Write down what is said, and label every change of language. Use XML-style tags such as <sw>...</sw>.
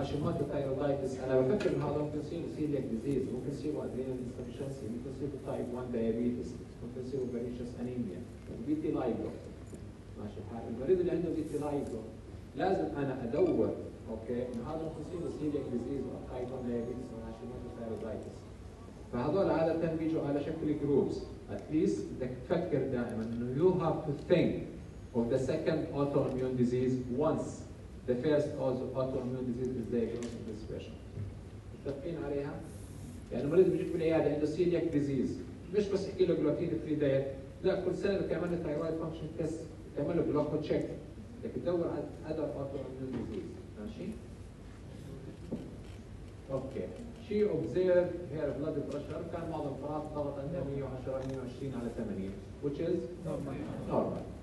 <ar>هاشيموتو ثايرويدايتس، انا بفكر انه هذا ممكن يصير سيليك ديزيز، ممكن يصير ادرينال انسفشنسي، ممكن يصير تايب 1 دايابيتس، ممكن يصير بيرنيشيس انيميا، فيتيلايجو. ماشي الحال؟ المريض اللي عنده فيتيلايجو لازم انا ادور اوكي انه هذا ممكن يصير سيليك ديزيز وتايب 1 دايابيتس وهاشيموتو ثايرويدايتس. فهذول عادة بيجوا على شكل groups.</ar> <en>At least</en> <ar>بدك تفكر دائما انه</ar> <en>you have to think of the second autoimmune disease once the first autoimmune disease is diagnosed in this fashion.</en> <ar>متفقين عليها؟ يعني المريض بيجيك بالعيادة عنده celiac disease مش بس احكي له gluten free diet، لا كل سنة بدك تعمل له thyroid function test، تعمل له block and check، بدك تدور على</ar> <en>other autoimmune disease.</en> <ar>ماشي؟ اوكي.</ar> <en>She observed her blood pressure</en> <ar>كان معظم الفرات ضغط عندها 110 120 على 80</ar> <en>which is normal.</en>